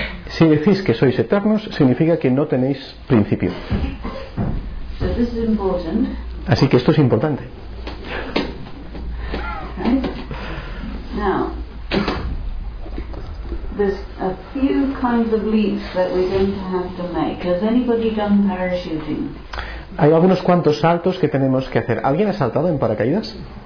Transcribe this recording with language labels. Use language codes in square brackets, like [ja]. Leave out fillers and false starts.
[es] Si decís que sois eternos, significa que no tenéis principio. [en] So this is important. [es] Así que esto es importante. [en] Right. Now, there's a few kinds of leaps that we're going to have to make. Has anybody done parachuting? [es] Hay algunos cuantos saltos que tenemos que hacer. ¿Alguien ha saltado en paracaídas?